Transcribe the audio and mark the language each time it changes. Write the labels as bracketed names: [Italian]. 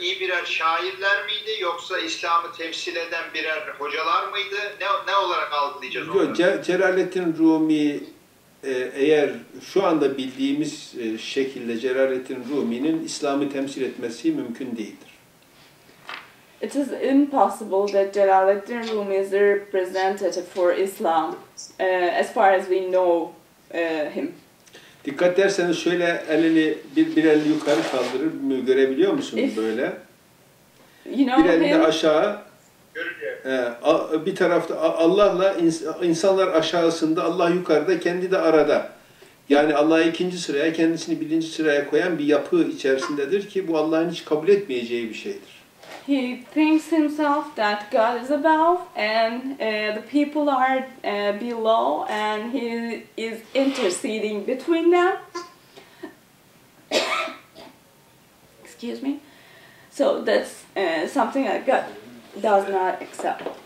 [Turkish] İyi birer şairler miydi yoksa İslam'ı temsil eden birer hocalar mıydı? Ne olarak algılayacağız onları? Celaleddin Rumi eğer şu anda bildiğimiz şekilde Celaleddin Rumi'nin İslam'ı temsil etmesi mümkün değildir. [English] It is impossible that Celaleddin Rumi is a representative for Islam as far as we know him. [Turkish] Dikkat ederseniz şöyle elini bir elini yukarı kaldırır, görebiliyor musunuz böyle? [English] You know, [Turkish] bir elini aşağı. Bir tarafta Allah'la insanlar aşağısında, Allah yukarıda, kendi de arada. Yani Allah'ı ikinci sıraya, kendisini birinci sıraya koyan bir yapı içerisindedir ki bu Allah'ın hiç kabul etmeyeceği bir şeydir. [English] He thinks himself that God is above and the people are below and he is interceding between them. Excuse me. So that's something that God does not accept.